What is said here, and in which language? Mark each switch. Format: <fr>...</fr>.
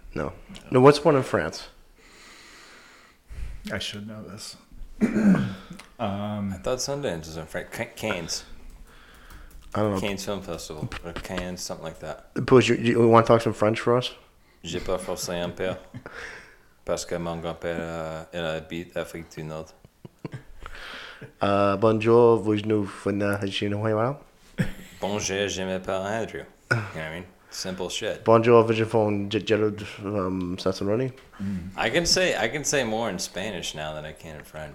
<en>No. No, what's one in France? I should know this. I thought Sundance was in France. Cannes. I don't know. Cannes Film Festival. Or Cannes, something like that. Puss, you want to talk some French for us?</en> <fr>Je peux français un peu. Parce que mon grand-père, il habite Afrique du Nord. Bonjour, vous nous venez chez nous. Bonjour, je m'appelle Andrew.</fr> <en>You know what I mean? Simple shit.</en> <fr>Bonjour, vous êtes from Gerald Sassaroni.</fr> <en>I can say more in Spanish now than I can in French.</en>